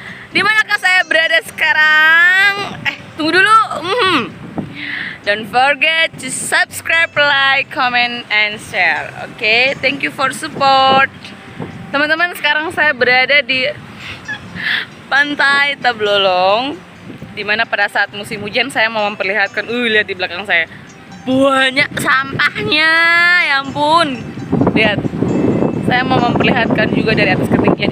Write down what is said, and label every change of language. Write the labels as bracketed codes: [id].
[id] Di manakah saya berada sekarang? Tunggu dulu. [en] Don't forget to subscribe, like, comment, and share. Okay, thank you for support. [id] Teman-teman, sekarang saya berada di Pantai Tablolong, di mana pada saat musim hujan saya mau memperlihatkan, lihat di belakang saya banyak sampahnya, ya ampun. Lihat, saya mau memperlihatkan juga dari atas ketinggian.